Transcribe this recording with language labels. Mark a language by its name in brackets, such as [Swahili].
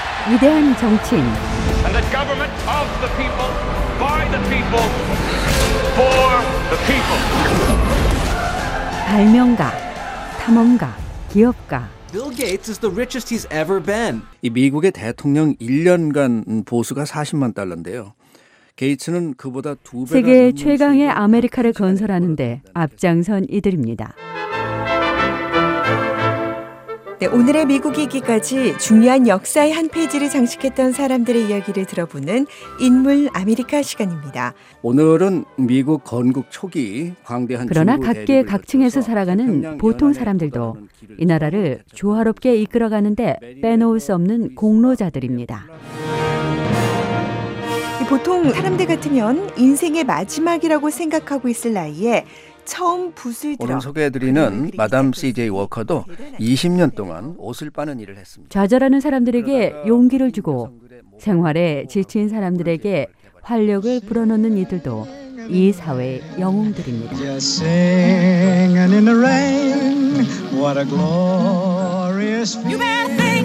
[Korean] 위대한 정치인, 발명가, 탐험가, 기업가, [English] Bill Gates is the richest he's ever been. [Korean] 이 미국의 대통령 1년간 보수가 40만 달러인데요. 게이츠는 그보다 두 배나 세계 최강의 아메리카를 건설하는데 앞장선 이들입니다. 네, 오늘의 미국이기까지 중요한 역사의 한 페이지를 장식했던 사람들의 이야기를 들어보는 인물 아메리카 시간입니다. 오늘은 미국 건국 초기 광대한 그러나 각계 각층에서 살아가는 보통 사람들도 이 나라를 조화롭게 이끌어가는데 빼놓을 수 없는 공로자들입니다. 보통 사람들 같으면 인생의 마지막이라고 생각하고 있을 나이에 처음 붓을 들어 오늘 소개해드리는 마담 CJ 워커도 20년 동안 옷을 빠는 일을 했습니다. 좌절하는 사람들에게 용기를 주고 생활에 지친 사람들에게 활력을 불어넣는 이들도 이 사회의 영웅들입니다. [English] Singing in the rain, what a glorious feeling.